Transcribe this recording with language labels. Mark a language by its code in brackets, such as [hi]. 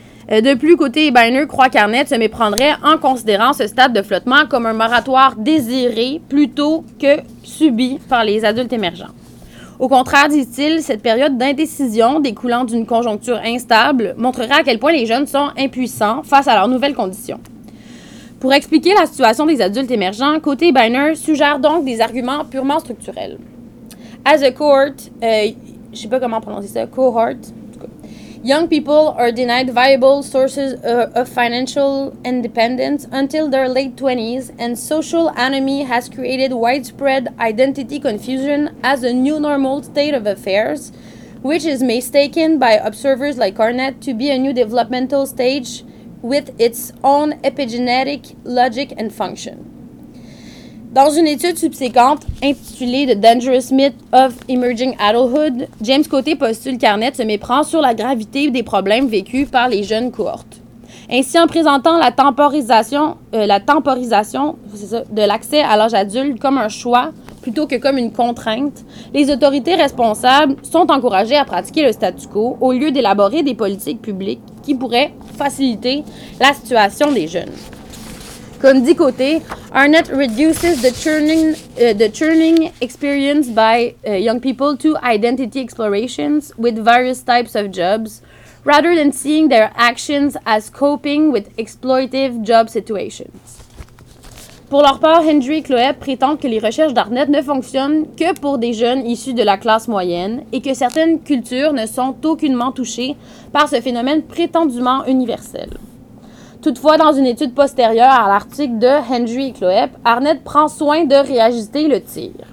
[fr] De plus, Côté et Biner croient qu'Arnett se méprendrait en considérant ce stade de flottement comme un moratoire désiré plutôt que subi par les adultes émergents. Au contraire, disent-ils, cette période d'indécision découlant d'une conjoncture instable montrerait à quel point les jeunes sont impuissants face à leurs nouvelles conditions. Pour expliquer la situation des adultes émergents, Côté et Biner suggèrent donc des arguments purement structurels. [en] As a cohort, [fr] je sais pas comment prononcer ça, [en] cohort, young people are denied viable sources of financial independence until their late 20s, and social anomie has created widespread identity confusion as a new normal state of affairs, which is mistaken by observers like Arnett to be a new developmental stage with its own epigenetic logic and function. [fr] Dans une étude subséquente intitulée « The Dangerous Myth of Emerging Adulthood », James Côté postule qu'Arnett se méprend sur la gravité des problèmes vécus par les jeunes cohortes. Ainsi, en présentant la temporisation de l'accès à l'âge adulte comme un choix plutôt que comme une contrainte, les autorités responsables sont encouragées à pratiquer le statu quo au lieu d'élaborer des politiques publiques qui pourraient faciliter la situation des jeunes. Comme dit Côté, [en] Arnett reduces the churning experienced by young people to identity explorations with various types of jobs, rather than seeing their actions as coping with exploitative job situations. [fr] Pour leur part, Hendry et Chloé prétendent que les recherches d'Arnett ne fonctionnent que pour des jeunes issus de la classe moyenne et que certaines cultures ne sont aucunement touchées par ce phénomène prétendument universel. Toutefois, dans une étude postérieure à l'article de Hendry et Chloé, Arnett prend soin de réajuster le tir.